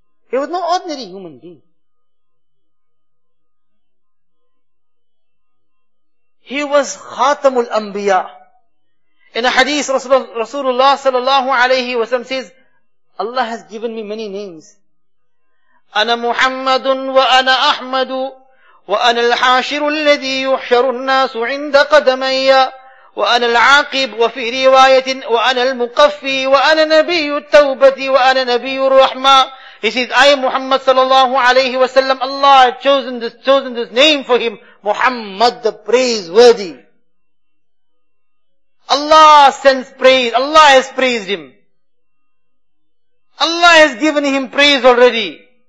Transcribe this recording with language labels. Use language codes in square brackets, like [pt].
[en] He was no ordinary human being. He was Khatamul Anbiya. In a hadith, Rasulullah sallallahu alayhi wa sallam says, Allah has given me many names. [ar] أنا محمد وأنا أحمد وأنا الحاشر الذي يحشر الناس عند قدمي وأنا العاقب وفي رواية وأنا المقفي وأنا نبي التوبة وأنا نبي الرحمة. [en] He says, I am Muhammad sallallahu alayhi wa sallam. Allah had chosen this name for him. Muhammad, the praiseworthy. Allah sends praise. Allah has praised him. Allah has given him praise already.